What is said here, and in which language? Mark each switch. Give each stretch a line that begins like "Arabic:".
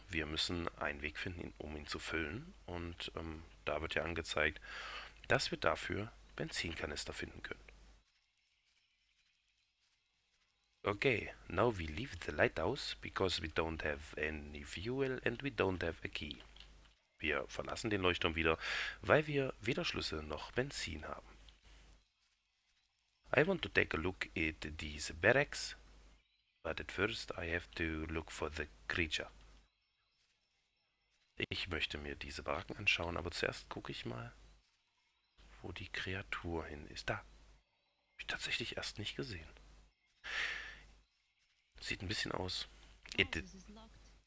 German: Wir müssen einen Weg finden, um ihn zu füllen. Und da wird ja angezeigt, dass wir dafür Benzinkanister finden können.
English: Okay, now we leave the lighthouse because we don't have any fuel and we don't have a key.
German: Wir verlassen den Leuchtturm wieder, weil wir weder Schlüssel noch Benzin haben.
English: I want to take a look at these barracks, but at first I have to look for the creature.
German: Ich möchte mir diese Baracken anschauen, aber zuerst gucke ich mal, wo die Kreatur hin ist. Da. Hab ich tatsächlich erst nicht gesehen. Sieht ein bisschen aus.
English: Oh, this is locked.